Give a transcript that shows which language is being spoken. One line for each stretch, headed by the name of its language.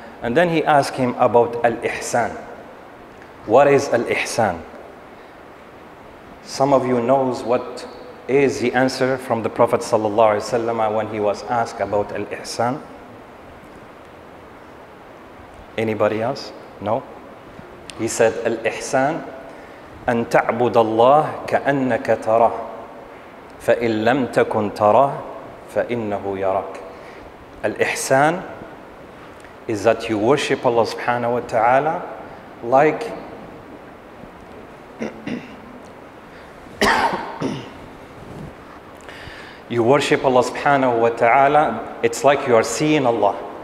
English: And then he asked him about Al-Ihsan. What is Al-Ihsan? Some of you knows what is the answer from the Prophet ﷺ when he was asked about Al-Ihsan. Anybody else? No? He said, Al-Ihsan,
Arabic: أن تعبد الله كأنك تراه فإن لم تكن تراه فإنه يراك.
English: Al-Ihsan is that you worship Allah subhanahu wa ta'ala like you worship Allah subhanahu wa ta'ala, it's like you are seeing Allah.